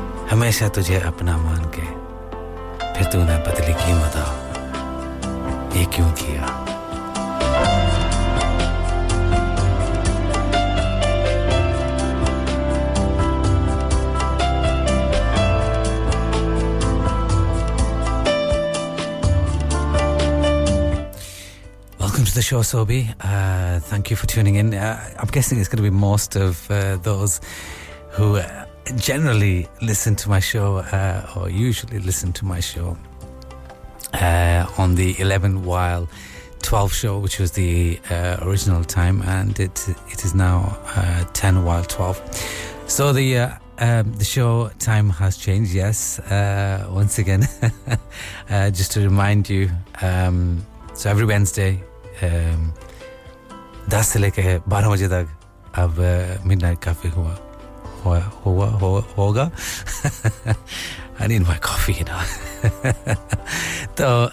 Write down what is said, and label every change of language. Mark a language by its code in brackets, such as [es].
[hi] हमेशा तुझे अपना मान के फिर तूने बदली की मदा ये क्यों किया [en] Sure, Sobi. Thank you for tuning in. I'm guessing it's going to be most of those who generally listen to my show or usually listen to my show on the 11 while 12 show, which was the original time, and it is now 10 while 12. So the show time has changed, yes, once again. just to remind you, so every Wednesday, [hi] 10 से लेके 12 बजे तक अब midnight coffee होगा [en] I need my coffee you know तो